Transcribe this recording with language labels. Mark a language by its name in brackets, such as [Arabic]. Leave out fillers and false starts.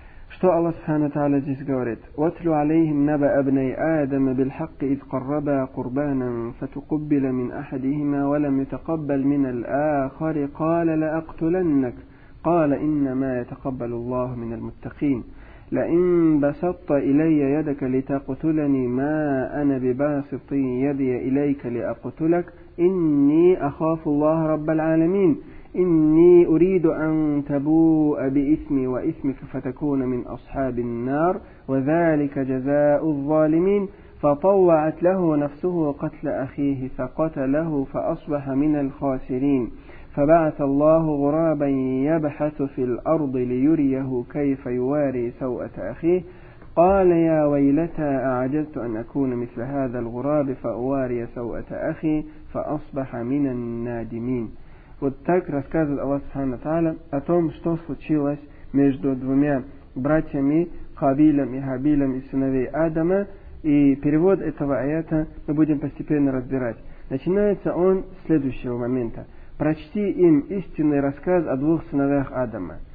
[Russian] Что Аллах Субхана Тааля здесь говорит? [Arabic] «Ватлю алейхим наба абней Адама бильхакки из карраба курбанам фатукуббила мин ахадихима валам ютакаббал мин ал-ахари кала ла актуланнак кала иннама ютакаббалу Аллаху мин ал-муттакин». لئن بسطت إلي يدك لتقتلني ما أنا بباسط يدي إليك لأقتلك إني أخاف الله رب العالمين إني أريد أن تبوء بإثمي وإثمك فتكون من أصحاب النار وذلك جزاء الظالمين فطوعت له نفسه قتل أخيه فقتله فأصبح من الخاسرين فبعث الله غرابا يبحث في الأرض ليريه كيف يواري سوءة أخيه قال يا ويلتى أعجزت أن أكون مثل هذا الغراب فأواري سوءة أخي فأصبح من النادمين. [Russian] Вот так рассказывает Аллах Субхана Тааля о том, что случилось между двумя братьями Хавилем и Хабилем из сыновей Адама. И перевод этого аята мы будем постепенно разбирать. Начинается он с следующего момента. «Прочти им истинный рассказ о двух сыновях Адама.